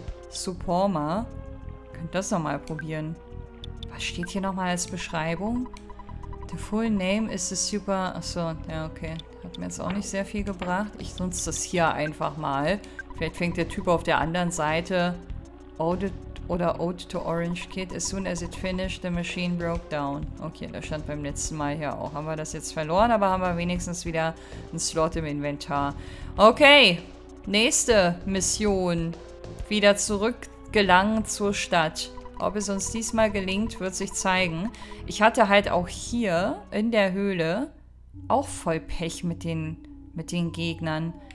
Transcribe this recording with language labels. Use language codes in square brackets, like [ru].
[de] Suporma. Ich könnte das nochmal probieren. Was steht hier nochmal als Beschreibung? [en] The full name is the super... [de] Achso, ja, okay. Hat mir jetzt auch nicht sehr viel gebracht. Ich nutze das hier einfach mal. Vielleicht fängt der Typ auf der anderen Seite. [en] Ode to Orange Kid. As soon as it finished, the machine broke down. [de] Okay, das stand beim letzten Mal hier auch. Haben wir das jetzt verloren, aber haben wir wenigstens wieder einen Slot im Inventar. Okay, nächste Mission. Wieder zurückgelangen zur Stadt. Ob es uns diesmal gelingt, wird sich zeigen. Ich hatte halt auch hier in der Höhle auch voll Pech mit den Gegnern.